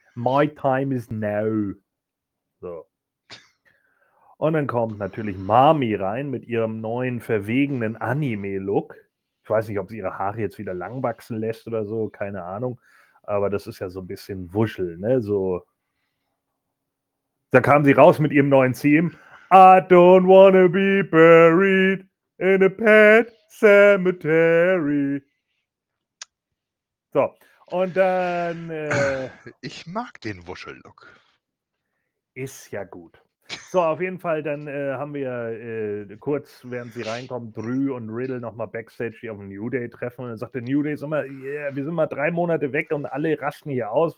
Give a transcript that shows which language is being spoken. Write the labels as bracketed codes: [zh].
[en] My time is now. [de] So. Und dann kommt natürlich Mami rein mit ihrem neuen verwegenen Anime-Look. Ich weiß nicht, ob sie ihre Haare jetzt wieder lang wachsen lässt oder so, keine Ahnung. Aber das ist ja so ein bisschen Wuschel, ne? So. Da kam sie raus mit ihrem neuen Team. [en] I don't wanna be buried in a pet cemetery. [de] So, und dann. Ich mag den Wuschel-Look. Ist ja gut. So, auf jeden Fall, dann haben wir kurz, während sie reinkommen, Drew und Riddle nochmal Backstage, die auf dem New Day treffen. Und dann sagt der New Day, wir sind mal 3 Monate weg und alle rasten hier aus.